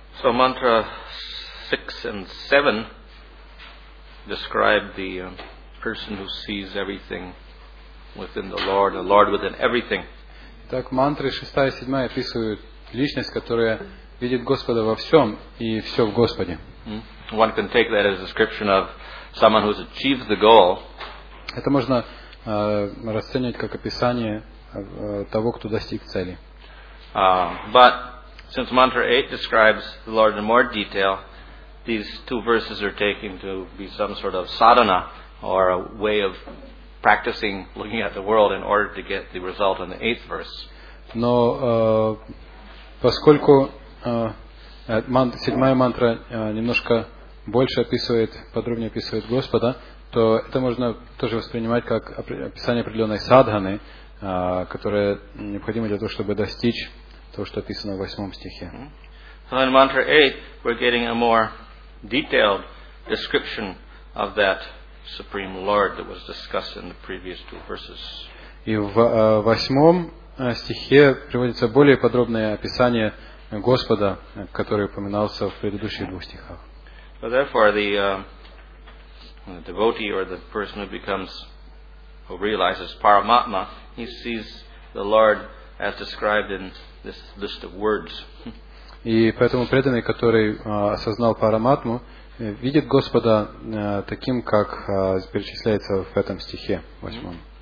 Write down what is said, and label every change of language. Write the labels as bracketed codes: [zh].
[en] So mantra 6 and 7 describe the person who sees everything within the Lord within everything. [ru] Так мантры 6 и 7 описывают личность, которая видит Господа во всём и всё в Господе. [en] One can take that as a description of someone who's achieved the goal. [ru] Это можно расценивать как описание того, кто достиг цели. [en] But since mantra 8 describes the Lord in more detail, these two verses are taken to be some sort of sadhana or a way of practicing looking at the world in order to get the result in the 8th verse. [ru] Но поскольку седьмая мантра немножко больше описывает, подробнее описывает Господа, то это можно тоже воспринимать как описание определенной садханы, которая необходима для того, чтобы достичь того, что описано в восьмом стихе. [en] So in mantra 8, we're getting a more detailed description of that Supreme Lord that was discussed in the previous two verses. [ru] И в восьмом стихе приводится более подробное описание Господа, который упоминался в предыдущих двух стихах. [en] So therefore, the devotee or the person who becomes, who realizes Paramatma, he sees the Lord as described in this list of words. [ru] И поэтому преданный, который осознал Параматму, видит Господа таким, как перечисляется в этом стихе, восьмом.